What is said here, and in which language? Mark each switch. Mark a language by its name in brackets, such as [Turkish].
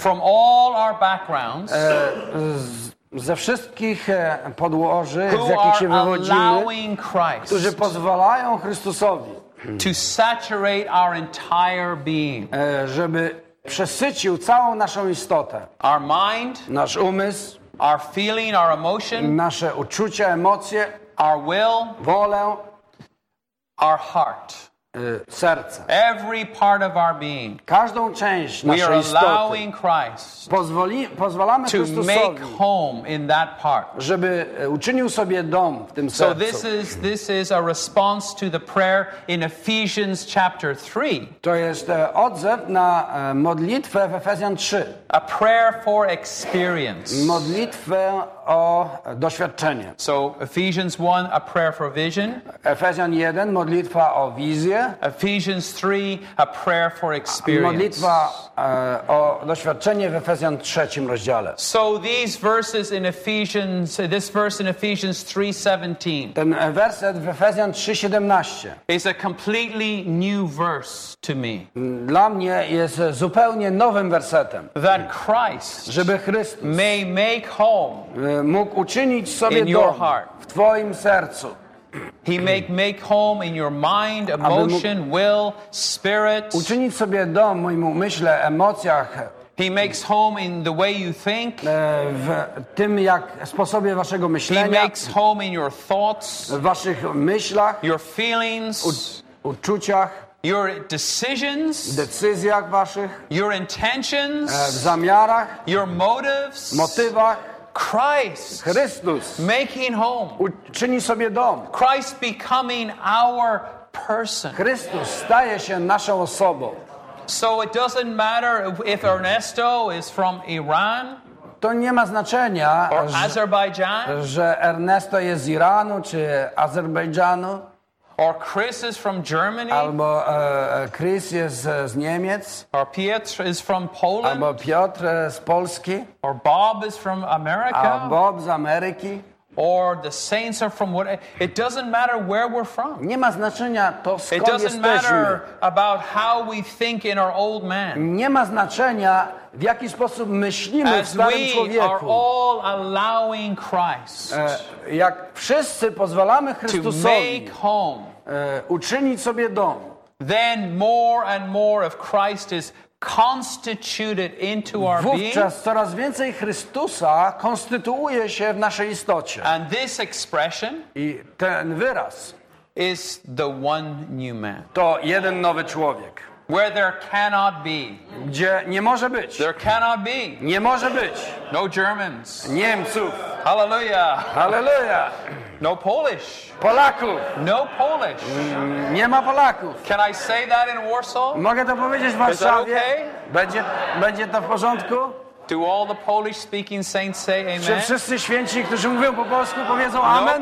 [English] From all our backgrounds. [Polish] Ze wszystkich podłoży, z jakich się wywodzimy, którzy pozwalają Chrystusowi, [English] to saturate our entire being, [Polish] żeby przesycił całą naszą istotę, [English] our mind, [Polish] nasz umysł, [English] our feeling, our emotion, [Polish] nasze uczucia, emocje, [English] our will, [Polish] wolę, [English] our heart. [Polish] Serca. [English] Every part of our being. [Polish] Każdą część naszej istoty. [English] We are allowing Christ [Polish] pozwalamy [English] to [Polish] Chrystusowi, [English] make home in that part. [Polish] Żeby uczynił sobie dom w tym [English] so [Polish] sercu. [English] So this is a response to the prayer in Ephesians chapter 3. [Polish] To jest odzew na modlitwę w Efezjan 3. [English] A prayer for experience. [Polish] Modlitwę o doświadczenie. [English] So Ephesians 1, a prayer for vision. [Polish] Efezjan 1, modlitwa o wizję. [English] Ephesians 3, a prayer for experience. [Polish] Modlitwa o doświadczenie w Efezjan 3 rozdziale. [English] So these verses in Ephesians, this verse in Ephesians 3:17. [Polish] Ten werset w Efezjan 3:17. [English] Is a completely new verse to me. [Polish] Dla mnie jest zupełnie nowym wersetem. [English] That Christ, [Polish] żeby Chrystus, [English] may make home. [Polish] Mógł uczynić sobie [English] dom [Polish] w twoim sercu. [English] He make home in your mind, emotion, will, spirit. [Polish] Uczynić sobie dom w moim umyśle, emocjach. [English] He makes home in the way you think. [Polish] W tym jak sposobie waszego myślenia. [English] He makes home in your thoughts. [Polish] W waszych myślach. [English] Your feelings. [Polish] Uczuciach. [English] Your decisions, [Polish] decyzjach waszych. [English] Your intentions, [Polish] w zamiarach. [English] Your motives, [Polish] motywach. [English] Christ, [Polish] Chrystus, [English] making home, [Polish] czyni sobie dom. [English] Christ becoming our person. [Polish] Chrystus staje się naszą osobą. [English] So it doesn't matter if Ernesto is from Iran. [Polish] To nie ma znaczenia, że Ernesto jest z Iranu czy Azerbejdżanu. [English] Or Chris is from Germany. [Polish] Albo Chris jest z Niemiec. [English] Or Piotr is from Poland. [Polish] Albo Piotr z Polski. [English] Or Bob is from America. [Polish] A Bob z Ameryki. [English] Or the saints are from what? It doesn't matter where we're from. [Polish] Nie ma znaczenia to, skąd jesteśmy. [English] It doesn't matter about how we think in our old man. [Polish] Nie ma znaczenia, w jaki sposób myślimy [English] as [Polish] w starym człowieku. [English] We are all allowing Christ. [Polish] Jak wszyscy pozwalamy Chrystusowi [English] to make home, [Polish] uczynić sobie dom. [English] Then more and more of Christ is constituted into our being. [Polish] Wówczas coraz więcej Chrystusa konstytuuje się w naszej istocie. [English] And this expression, [Polish] i ten wyraz, [English] is the one new man. [Polish] To jeden nowy człowiek. [English] Where there cannot be. [Polish] Gdzie nie może być. [English] There cannot be. [Polish] Nie może być. [English] No Germans. [Polish] Niemców. [English] Hallelujah. [Polish] Hallelujah. [English] No Polish. [Polish] Polaków. [English] No Polish. [Polish] Nie ma Polaków. [English] Can I say that in Warsaw? [Polish] Mogę to powiedzieć w Warszawie? [English] Is that okay? [Polish] Będzie to w porządku? [English] Do all the Polish speaking saints say amen? [Polish] Czy wszyscy święci, którzy mówią po polsku, powiedzą amen?